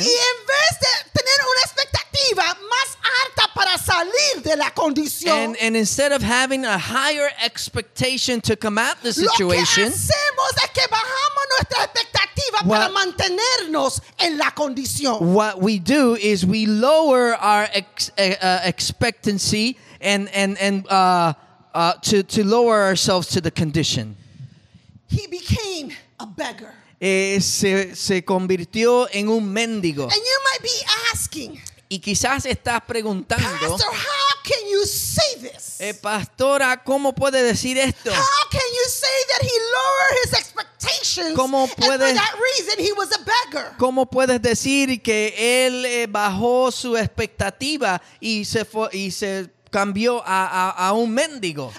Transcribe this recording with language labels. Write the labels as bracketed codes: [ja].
[es] Y en vez de tener una expectativa más alta para salir de la condición, [en] and instead of having a higher expectation to come out of the situation, [es] lo que hacemos es que bajamos nuestra expectativa para mantenernos en la condición. [en] What we do is we lower our expectancy and to lower ourselves to the condition. He became a beggar. [es] Se convirtió en un mendigo. [en] And you might be asking. [es] Y quizás estás preguntando. [en] Pastor, how can you say this? [es] Pastora, ¿cómo puede decir esto? [en] How can you say that he lowered his expectations? [es] ¿Cómo puedes, [en] and for that reason he was a beggar? [es] ¿Cómo puedes decir que él bajó su expectativa y se cambió a un mendigo?